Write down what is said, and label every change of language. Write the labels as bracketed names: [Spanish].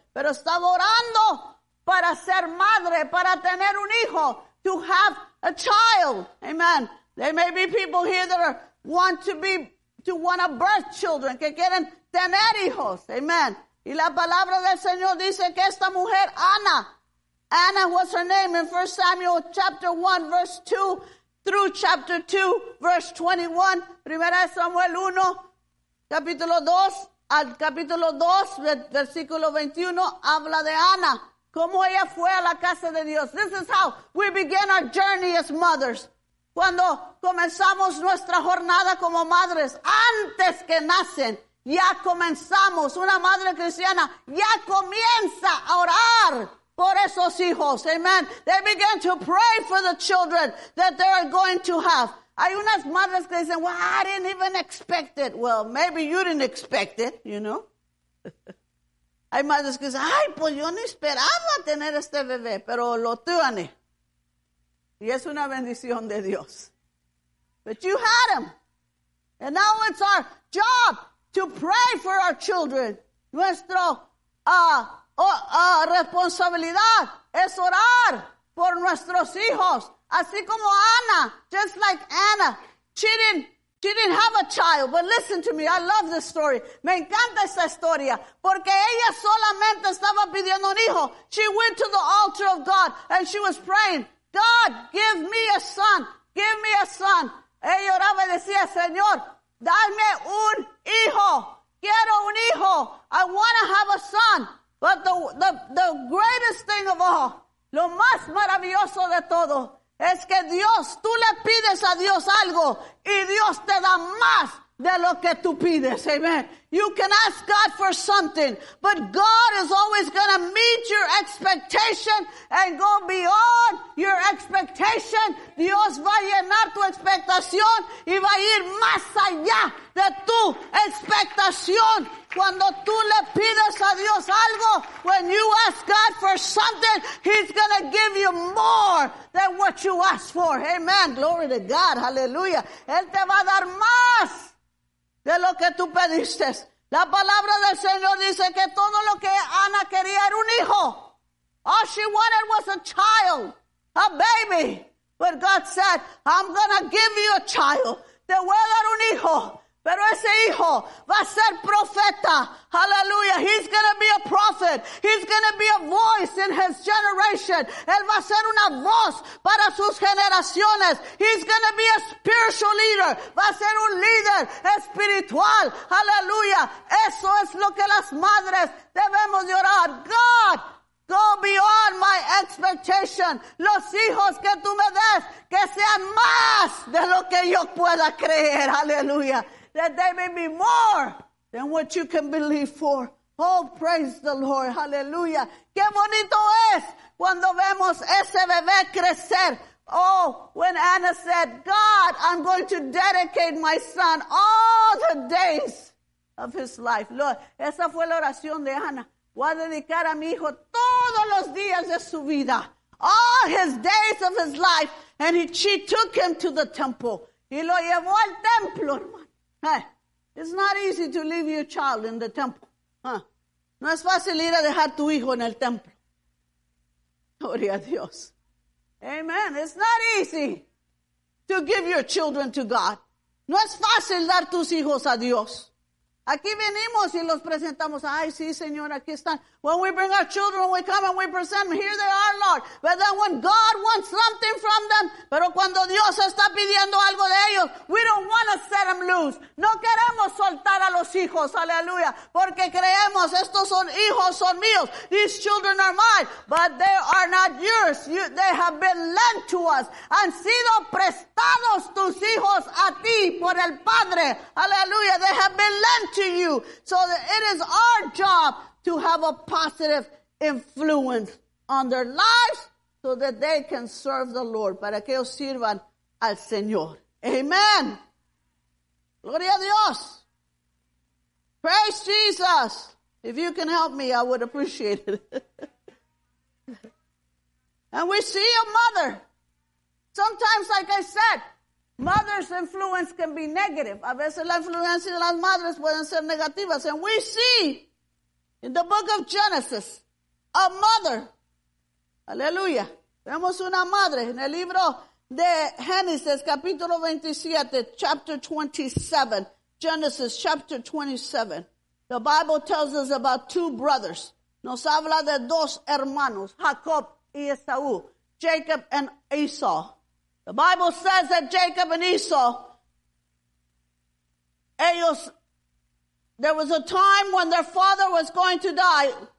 [Spanish] Pero estaba orando para ser madre, para tener un hijo, [English] to have a child. Amen. There may be people here that want to birth children, [Spanish] que quieren tener hijos. [English] Amen. [Spanish] Y la palabra del Señor dice que esta mujer, [English] Ana was her name in 1 Samuel chapter 1, verse 2 through chapter 2, verse 21. [Spanish] Primera Samuel 1, capítulo 2, al capítulo 2, versículo 21, habla de Ana. Como ella fue a la casa de Dios. [English] This is how we begin our journey as mothers. [Spanish] Cuando comenzamos nuestra jornada como madres, antes que nacen, ya comenzamos. Una madre cristiana ya comienza a orar por esos hijos. Amen. [English] They begin to pray for the children that they are going to have. [Spanish] Hay unas madres que dicen, [English] well, I didn't even expect it. Well, maybe you didn't expect it, you know. [Spanish] Hay madres que dicen, ay, pues yo no esperaba tener este bebé, pero lo tuve. Y es una bendición de Dios. [English] But you had him. And now it's our job to pray for our children. [Spanish] Nuestra responsabilidad es orar por nuestros hijos. Así como Ana, [English] just like Ana, She didn't have a child, but listen to me. I love this story. [Spanish] Me encanta esta historia. Porque ella solamente estaba pidiendo un hijo. [English] She went to the altar of God and she was praying, God, give me a son. Give me a son. [Spanish] Ella oraba y decía, Señor, dame un hijo. Quiero un hijo. [English] I want to have a son. [Spanish] But the greatest thing of all, lo más maravilloso de todo, es que Dios, tú le pides a Dios algo y Dios te da más de lo que tú pides. Amen. [English] You can ask God for something, but God is always going to meet your expectation and go beyond your expectation. [Spanish] Dios va a llenar tu expectación y va a ir más allá de tu expectación. Cuando tú le pides a Dios algo, [English] when you ask God for something, He's going to give you more than what you asked for. Amen. Glory to God. Hallelujah. [Spanish] Él te va a dar más de lo que tú pediste. La palabra del Señor dice que todo lo que Ana quería era un hijo. [English] All she wanted was a child, a baby. But God said, I'm going to give you a child. [Spanish] Te voy a dar un hijo. Pero ese hijo va a ser profeta. Hallelujah. [English] He's going to be a prophet. He's going to be a voice in his generation. [Spanish] Él va a ser una voz para sus generaciones. [English] He's going to be a spiritual leader. [Spanish] Va a ser un líder espiritual. Hallelujah. Eso es lo que las madres debemos llorar. [English] God, go beyond my expectation. [Spanish] Los hijos que tú me des, que sean más de lo que yo pueda creer. Hallelujah. [English] That they may be more than what you can believe for. Oh, praise the Lord. Hallelujah. [Spanish] Qué bonito es cuando vemos ese bebé crecer. [English] Oh, when Anna said, God, I'm going to dedicate my son all the days of his life. [Spanish] Lord, esa fue la oración de Ana. Voy a dedicar a mi hijo todos los días de su vida. [English] All his days of his life. And she took him to the temple. [Spanish] Y lo llevó al templo, hermano. [English] Hey, it's not easy to leave your child in the temple. [Spanish] No es fácil ir a dejar tu hijo en el templo. Gloria a Dios. Amen. [English] It's not easy to give your children to God. [Spanish] No es fácil dar tus hijos a Dios. Aquí venimos y los presentamos. Ay, sí, Señor, aquí están. [English] When we bring our children, we come and we present them. Here they are, Lord. But then when God wants something from them, [Spanish] pero cuando Dios está pidiendo algo de ellos, [English] we don't want to set them loose. [Spanish] No queremos soltar a los hijos, aleluya, porque creemos, estos son hijos, son míos. [English] These children are mine, but they are not yours. They have been lent to us. [Spanish] Han sido prestados tus hijos a ti por el Padre. [English] Aleluya, they have been lent to you. So it is our job to have a positive influence on their lives so that they can serve the Lord. [Spanish] Para que ellos sirvan al Señor. Amen. Gloria a Dios. [English] Praise Jesus. If you can help me, I would appreciate it. And we see a mother. Sometimes, like I said, mother's influence can be negative. [Spanish] A veces la influencia de las madres pueden ser negativas. [English] And we see in the book of Genesis, a mother. Aleluya. [Spanish] Vemos una madre en el libro de Génesis, capítulo 27, [English] chapter 27. Genesis, chapter 27. The Bible tells us about two brothers. [Spanish] Nos habla de dos hermanos, Jacob y Esaú, [English] Jacob and Esau. The Bible says that Jacob and Esau, ellos, there was a time when their father was going to die.